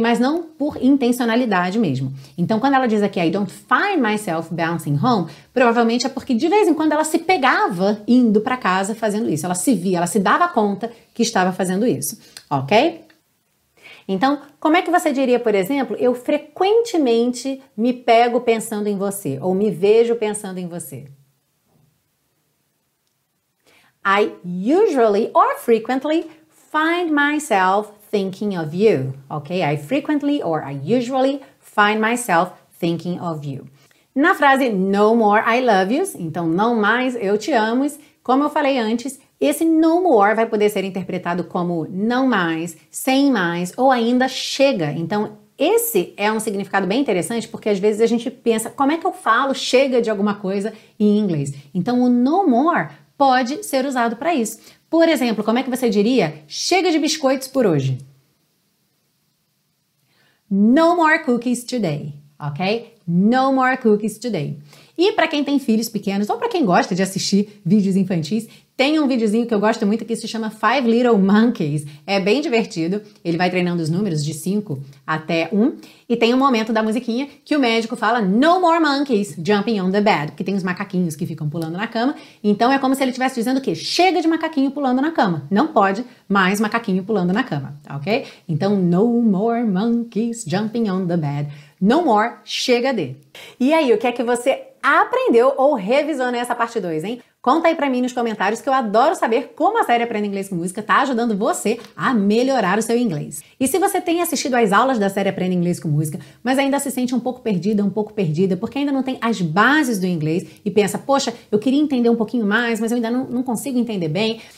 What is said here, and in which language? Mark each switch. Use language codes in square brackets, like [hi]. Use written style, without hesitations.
[pt] Mas não por intencionalidade mesmo. Então, quando ela diz aqui, [en] I don't find myself bouncing home, [pt] provavelmente é porque de vez em quando ela se pegava indo para casa fazendo isso. Ela se via, ela se dava conta que estava fazendo isso, ok? Então, como é que você diria, por exemplo, eu frequentemente me pego pensando em você ou me vejo pensando em você? [en] I usually or frequently find myself thinking of you, ok? I frequently or I usually find myself thinking of you. [pt] Na frase [en] no more I love yous, [pt] então não mais eu te amo, como eu falei antes, Esse [en] no more [pt] vai poder ser interpretado como não mais, sem mais ou ainda chega. Então, esse é um significado bem interessante porque às vezes a gente pensa como é que eu falo chega de alguma coisa em inglês. Então, o [en] no more [pt] pode ser usado para isso. Por exemplo, como é que você diria chega de biscoitos por hoje? [en] No more cookies today, ok? No more cookies today. [pt] E para quem tem filhos pequenos ou para quem gosta de assistir vídeos infantis, tem um videozinho que eu gosto muito que se chama Five Little Monkeys. É bem divertido. Ele vai treinando os números de 5 até 1. E tem um momento da musiquinha que o médico fala [en] no more monkeys jumping on the bed. [pt] Porque tem os macaquinhos que ficam pulando na cama. Então é como se ele estivesse dizendo o quê? Chega de macaquinho pulando na cama. Não pode mais macaquinho pulando na cama, ok? Então [en] no more monkeys jumping on the bed. No more, [pt] chega de. E aí, o que é que você aprendeu ou revisou nessa parte 2, hein? Conta aí pra mim nos comentários que eu adoro saber como a série Aprenda Inglês com Música tá ajudando você a melhorar o seu inglês. E se você tem assistido às aulas da série Aprenda Inglês com Música, mas ainda se sente um pouco perdida, um pouco perdida, porque ainda não tem as bases do inglês e pensa, poxa, eu queria entender um pouquinho mais, mas eu ainda não consigo entender bem.